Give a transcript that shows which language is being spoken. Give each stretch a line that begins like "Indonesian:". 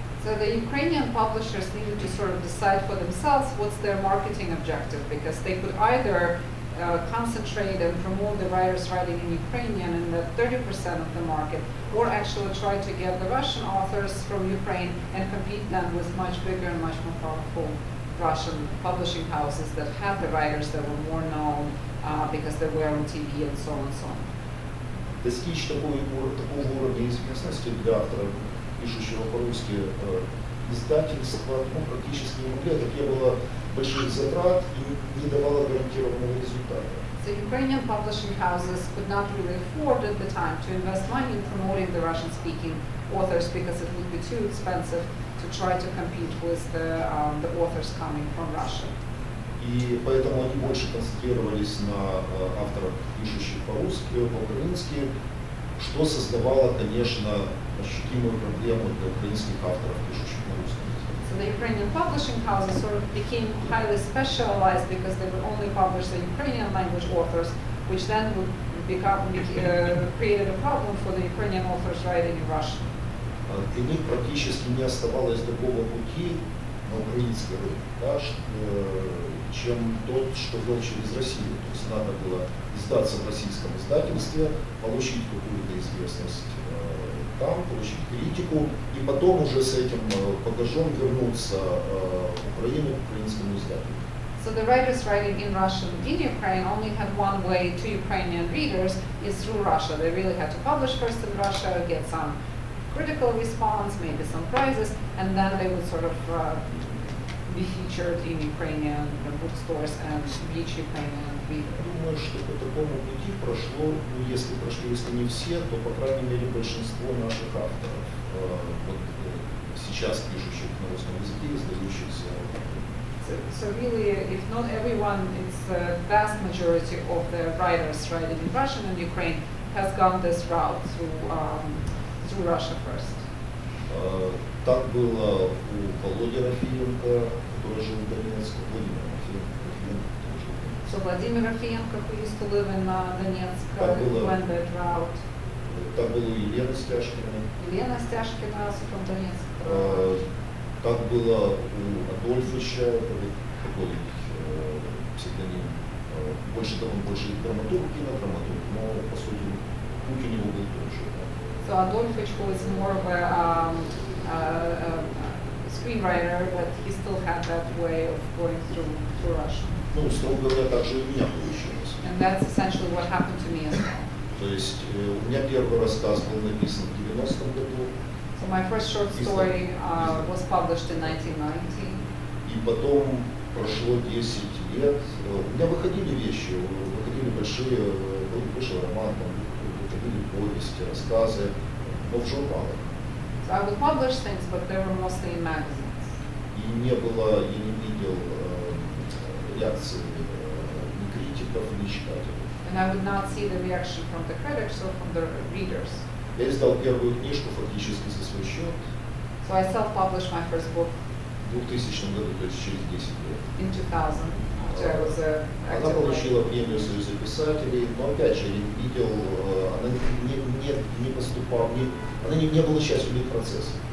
English: So the Ukrainian publishers needed to sort of decide for themselves what's their marketing objective, because they could either concentrate and promote the writers writing in Ukrainian in the 30% of the market, or actually try to get the Russian authors from Ukraine and compete them with much bigger and much more powerful Russian publishing houses that had the writers that were more known because they were on TV and so on and so on.
Russian: Достичь такого уровня известности для авторов, пишущего по-русски, издательство, ну, практически не могли, это требовало больших затрат и не давало гарантированного результата.
English: So Ukrainian publishing houses could not really afford at the time to invest money in promoting the Russian-speaking authors because it would be too expensive to try to compete with the authors coming from Russia.
Russian: И поэтому они больше концентрировались на авторах, пишущих по-русски, по-украински, что создавало, конечно, ощутимую проблему для украинских авторов, пишущих на русском языке.
English: So the Ukrainian publishing houses sort of became highly specialized because they would only publish the Ukrainian language authors, which then would created a problem for the Ukrainian authors writing in Russian.
Russian: Для них практически не оставалось другого пути на украинский рынок, да, чем тот, что был через Россию. То есть надо было издаться в российском издательстве, получить какую-то известность там, получить критику, и потом уже с этим багажом вернуться в Украину, к украинскому изданию.
English: So the writers writing in Russian in Ukraine only had one way to Ukrainian readers is through Russia. They really had to publish first in Russia, get some critical response, maybe some prizes, and then they would sort of be featured in Ukrainian bookstores and reach Ukrainian readers.
Russian: Думаю, что по такому пути прошло, ну если прошли, если не все, то по крайней мере большинство наших авторов, вот сейчас пишущих на русском языке, издающихся.
English: So really, if not everyone, it's the vast majority of the writers writing in Russian and Ukraine has gone this route through through Russia first.
Russian: Так было у Володи Рафиенко, который жил в Донецке. Владимир Рафиенко.
English: So Владимир Рафиенко, who used to live in Donetsk, went that route.
Russian: Так было у Елены Стяжкиной.
English: Елена Стяжкина from Donetsk.
Russian: Так было у Адольфовича, такой псевдоним. Больше того, он больше драматург, кинодраматург, но, по сути, путь у него был тоже.
English: So Адольфович, who is more of a screenwriter, but he still had that way of going through Russia.
Russian: Ну, строго говоря, так же и у меня получилось.
English: And that's essentially what happened to me as well.
Russian: То есть у меня первый рассказ был написан в 90-м году.
English: So my first short story was published in 1990.
Russian: И потом прошло 10 лет. У меня выходили вещи, выходили большие, вышел роман, выходили повести, рассказы, но в журналах.
English: So I would publish things, but they were mostly in magazines.
Russian: И не было, я не видел реакции ни критиков, ни читателей.
English: And I would not see the reaction from the critics or from the readers.
Russian: Я издал первую книжку фактически за свой счет.
English: So I self-published my first book.
Russian: В 2000 году, то есть через 10 лет.
English: In 2000, after I was a...
Russian: Она получила премию Союза писателей, но опять же, я видел, она не поступала, она не была частью этого процесса.